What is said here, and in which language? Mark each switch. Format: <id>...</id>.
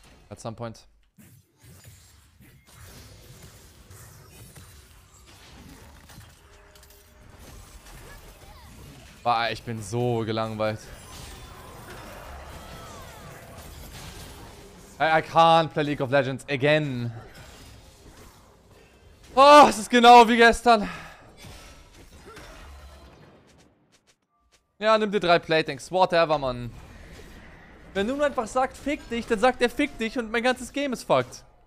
<en>At some point.</en> <de>Boah, ich bin so gelangweilt.</de> <en>I can't play League of Legends again.</en> <de>Oh, es ist genau wie gestern. Ja, nimm dir drei Playthings.</de> <en>Whatever,</en> <de>Mann. Wenn du nur einfach sagst, fick dich, dann sagt er, fick dich und mein ganzes Game ist fucked.</de>